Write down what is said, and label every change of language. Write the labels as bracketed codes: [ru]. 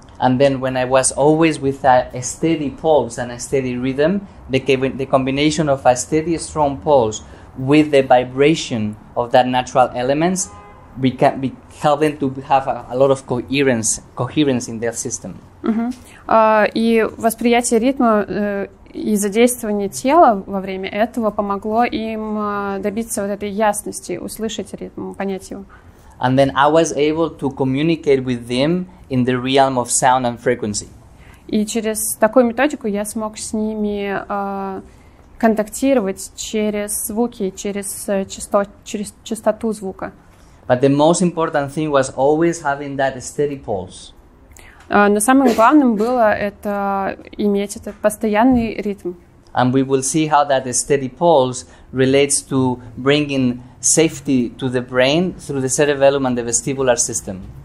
[en] And then when I was always with a steady pulse and a steady rhythm, the combination of a steady strong pulse with the vibration of that natural elements, we help them to have a lot of coherence in their system. [ru] И восприятие ритма и задействование тела во время этого помогло им добиться вот этой ясности, услышать ритм, понять его. [en] And then I was able to communicate with them in the realm of sound and frequency. [ru] И через такую методику я смог с ними контактировать через звуки, через частоту звука. [en] But the most important thing was always having that steady pulse. [ru] Но самым главным было это иметь этот постоянный ритм. [en] And we will see how that steady pulse relates to bringing safety to the brain through the cerebellum and the vestibular system.